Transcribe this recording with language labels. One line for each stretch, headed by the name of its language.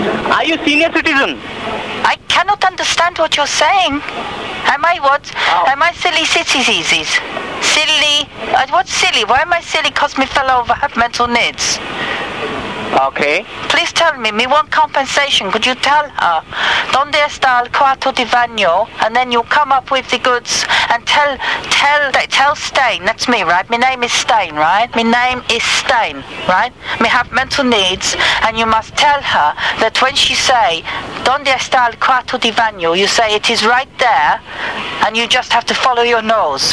English: Are you senior citizen? I cannot understand what you're saying. Am I what? Oh. Am I silly citizens? Silly? What's silly? Why am I silly? Because me fell over, have mental needs. Okay. Please tell me. Me want compensation. Could you tell her?
Spanish: Donde está el cuarto de baño?
English: And then you'll come up with the goods and tell Stain. That's me, right? My name is Stain, right? My name is Stain, right? Me have mental needs. And you must tell her that when she say, donde está el cuarto de baño? You say, it is right there. And you just have to follow your nose.